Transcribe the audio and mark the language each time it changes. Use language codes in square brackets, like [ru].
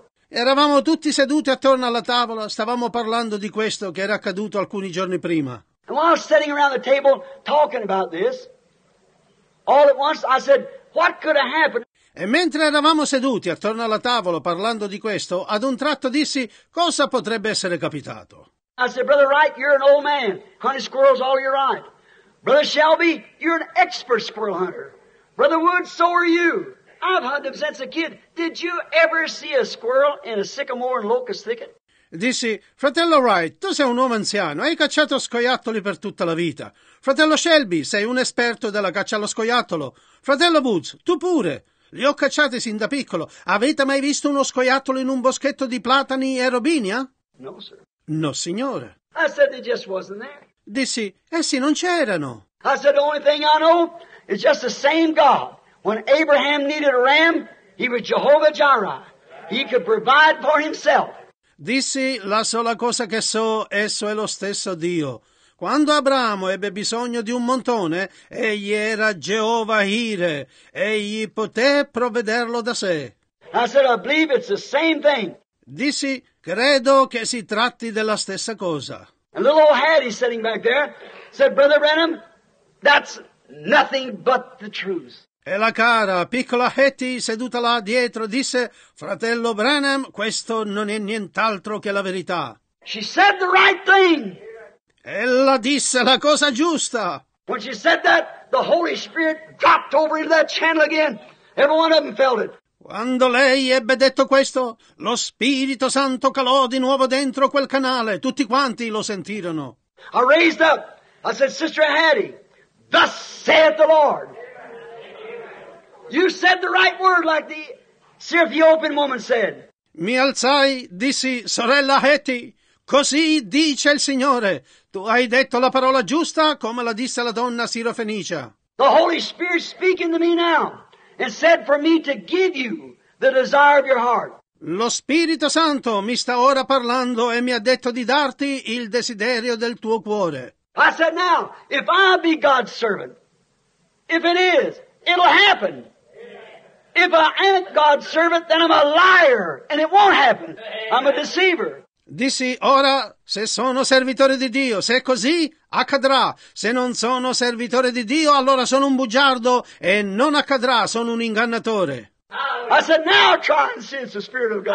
[it] Eravamo tutti seduti attorno alla tavola, stavamo parlando di questo che era accaduto alcuni giorni prima. [en] And while I was sitting around the table talking about this, all at once I said, what could have happened? [it] E mentre eravamo seduti attorno alla tavola parlando di questo, ad un tratto dissi, cosa potrebbe essere capitato? [en] I said, Brother Wright, you're an old man. Hunting squirrels all your life. Brother Shelby, you're an expert squirrel hunter. Brother Woods, so are you. I've hunted them since a kid. Did you ever see a squirrel in a sycamore and locust thicket? [it] Dissi, fratello Wright, tu sei un uomo anziano, hai cacciato scoiattoli per tutta la vita. Fratello Shelby, sei un esperto della caccia allo scoiattolo. Fratello Woods, tu pure. Li ho cacciati sin da piccolo. Avete mai visto uno scoiattolo in un boschetto di platani e robinia? [en] No, sir. [it] No, signore. [en] I said they just wasn't there. [it] Dissi, essi non c'erano. [en] I said, the only thing I know is just the same God. When Abraham needed a ram, he was Jehovah Jireh. He could provide for himself. [it] Dissi, la sola cosa che so, esso è lo stesso Dio. Quando Abramo ebbe bisogno di un montone, egli era Jehovah Jireh, egli poté provvederlo da sé. [en] I said, I believe it's the same thing. [it] Dissi, credo che si tratti della stessa cosa. [en] And little old Hattie sitting back there said, Brother Branham, that's nothing but the truth. [it] E la cara, piccola Hattie, seduta là dietro, disse, fratello Branham, questo non è nient'altro che la verità. [en] She said the right thing. [it] Ella disse la cosa giusta. [en] When she said that, the Holy Spirit dropped over into that channel again. Every one of them felt it. [it] Quando lei ebbe detto questo, lo Spirito Santo calò di nuovo dentro quel canale. Tutti quanti lo sentirono. [en] I raised up. I said, Sister Hattie, thus saith the Lord. You said the right word like the Syrophoenician woman said. [it] Mi alzai, dissi, sorella Hattie, così dice il Signore. Tu hai detto la parola giusta come la disse la donna sirofenicia. [en] The Holy Spirit speaking to me now and said for me to give you the desire of your heart. [it] Lo Spirito Santo mi sta ora parlando e mi ha detto di darti il desiderio del tuo cuore. [en] I said now, if I be God's servant, if it is, it'll happen. If I ain't God's servant, then I'm a liar and it won't happen. I'm a deceiver. [it] Dissi, ora, se sono servitore di Dio, se è così, accadrà. Se non sono servitore di Dio, allora sono un bugiardo e non accadrà, sono un ingannatore. [en] I said, now try and sense the Spirit of God.